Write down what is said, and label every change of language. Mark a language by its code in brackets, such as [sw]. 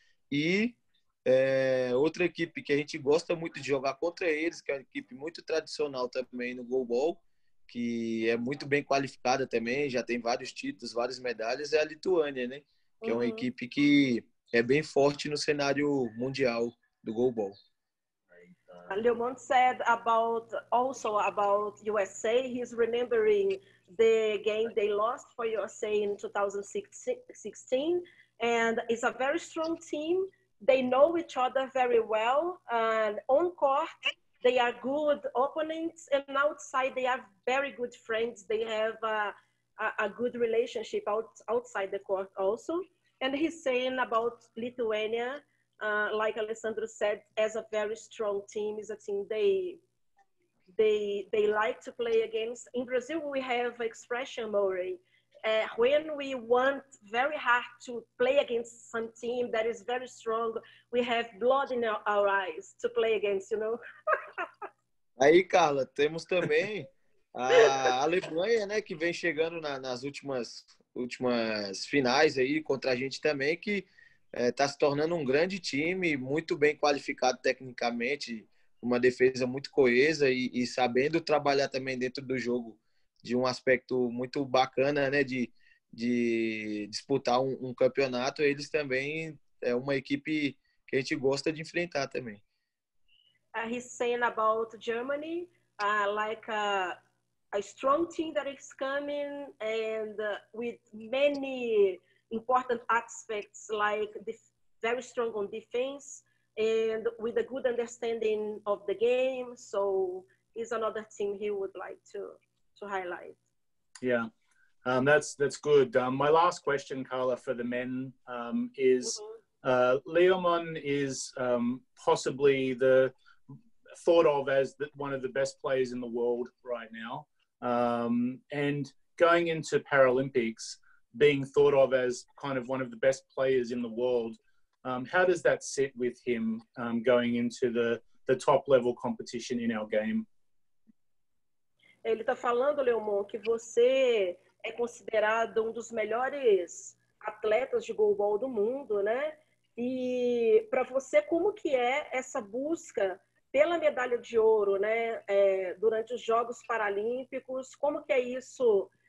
[pt] E outra equipe que a gente gosta muito de jogar contra eles, que é uma equipe muito tradicional também no goalball, que é muito bem qualificada também, já tem vários títulos, várias medalhas, é a Lituânia, né? Que é uma equipe que é bem forte no cenário mundial do goalball. [en] Leomon said about USA, he's remembering the game they lost for USA in 2016, and it's a very strong team. They know each other very well, and on court they are good opponents, and outside they are very good friends. They have a good relationship outside the court also. And he's saying about Lithuania, like Alessandro said, as a very strong team, is a team they like to play against. In Brazil, we have expression, Mori. When we want very hard to play against some team that is very strong, we have blood in our eyes to play against, you know? [pt] Aí, Carla, temos também a Alemanha, né, que vem chegando nas últimas finais aí contra a gente também, que está se tornando um grande time, muito bem qualificado tecnicamente, uma defesa muito coesa e sabendo trabalhar também dentro do jogo de um aspecto muito bacana, né, de disputar um campeonato. Eles também é uma equipe que a gente gosta de enfrentar também. [en] He's saying about Germany, like a strong team that is coming and with many important aspects, like very strong on defense and with a good understanding of the game. So is another team he would like to highlight. Yeah, that's good. My last question, Carla, for the men is Leomon is possibly the thought of as one of the best players in the world right now. And going into Paralympics, being thought of as kind of one of the best players in the world, how does that sit with him going into the top level competition in our game? [pt] Ele está falando, Leomon, que você é considerado um dos melhores atletas de goalball do mundo, né? E para você, como que é essa busca pela medalha de ouro, né? Durante os Jogos Paralímpicos, como que é isso